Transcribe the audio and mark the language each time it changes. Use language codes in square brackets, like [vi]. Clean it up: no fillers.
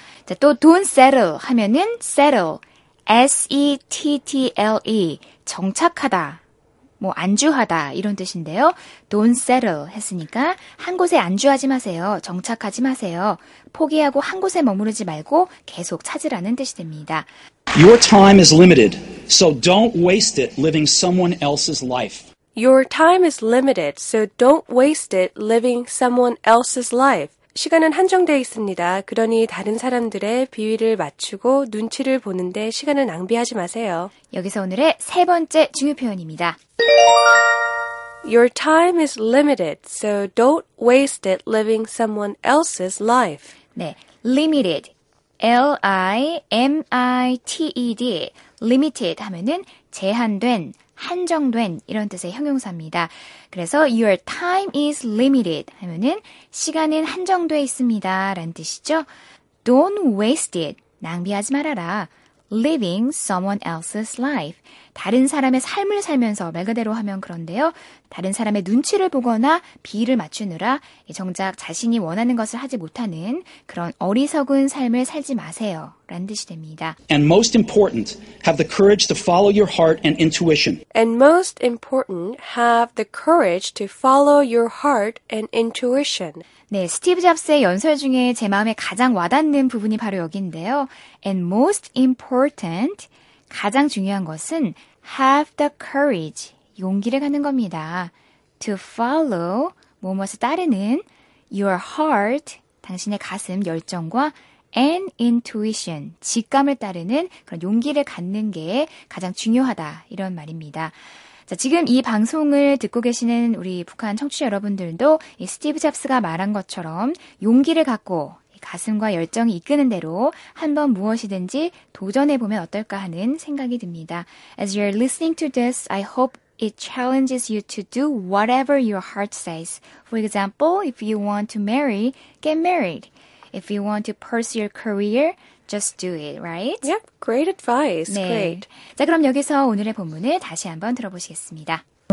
[ko] 자, 또 don't settle 하면은 settle, S-E-T-T-L-E, 정착하다, 뭐 안주하다 이런 뜻인데요. don't settle 했으니까 한 곳에 안주하지 마세요. 정착하지 마세요. 포기하고 한 곳에 머무르지 말고 계속 찾으라는 뜻이 됩니다. [en] Your time is limited, so don't waste it living someone else's life. Your time is limited, so don't waste it living someone else's life. [ko] 시간은 한정되어 있습니다. 그러니 다른 사람들의 비위를 맞추고 눈치를 보는데 시간을 낭비하지 마세요. 여기서 오늘의 세 번째 중요 표현입니다. [en] Your time is limited, so don't waste it living someone else's life. [ko] 네, limited, L-I-M-I-T-E-D, limited 하면은 제한된, 한정된 이런 뜻의 형용사입니다. 그래서 [en] your time is limited [ko] 하면은 시간은 한정돼 있습니다 라는 뜻이죠. [en] Don't waste it. [ko] 낭비하지 말아라. [en] Living someone else's life. [ko] 다른 사람의 삶을 살면서 말 그대로 하면 그런데요. 다른 사람의 눈치를 보거나 비위를 맞추느라 정작 자신이 원하는 것을 하지 못하는 그런 어리석은 삶을 살지 마세요. 라는 뜻이 됩니다. [en] And most important, have the courage to follow your heart and intuition. And most important, have the courage to follow your heart and intuition. [ko] 네, 스티브 잡스의 연설 중에 제 마음에 가장 와닿는 부분이 바로 여기인데요. [en] And most important, [ko] 가장 중요한 것은 [en] have the courage, [ko] 용기를 갖는 겁니다. [en] To follow, [ko] 무엇을 따르는 [en] your heart, [ko] 당신의 가슴 열정과 [en] and intuition, [ko] 직감을 따르는 그런 용기를 갖는 게 가장 중요하다, 이런 말입니다. 자, 지금 이 방송을 듣고 계시는 우리 북한 청취자 여러분들도 이 스티브 잡스가 말한 것처럼 용기를 갖고 가슴과 열정이 이끄는 대로 한번 무엇이든지 도전해보면 어떨까 하는 생각이 듭니다. [en] As you're listening to this, I hope it challenges you to do whatever your heart says. For example, if you want to marry, get married. If you want to pursue your career, just do it, right? Yep, great advice. 네. Great. [ko] 자, 그럼 여기서 오늘의 본문을 다시 한번 들어보시겠습니다.